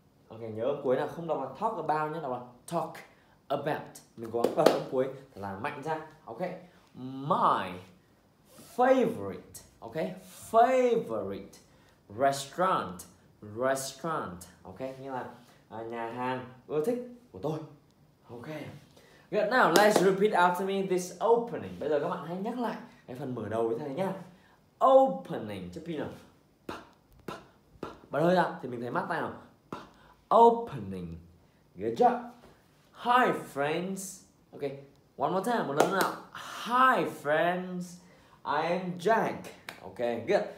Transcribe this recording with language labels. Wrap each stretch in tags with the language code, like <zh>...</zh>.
<vi>Ok, nhớ âm cuối nào. Không đọc là talk about nhé, đọc là talk about. Mình cố gắng bật âm cuối là mạnh ra.</vi> <en>Ok. My favorite. Ok. Favorite restaurant. Restaurant.</en> <vi>Ok, nghĩa là nhà hàng ưa thích của tôi.</vi> <en>Ok. Good, now let's repeat after me this opening.</en> <vi>Bây giờ các bạn hãy nhắc lại cái phần mở đầu với thầy nhá. Opening, chứ pin nào. Bật hơi ra thì mình thấy mát tay nào. Opening.</vi> <en>Good job. Hi friends. Ok, one more time,</en> <vi>một lần nào.</vi> <en>Hi friends, I am Jack. Ok, good.</en>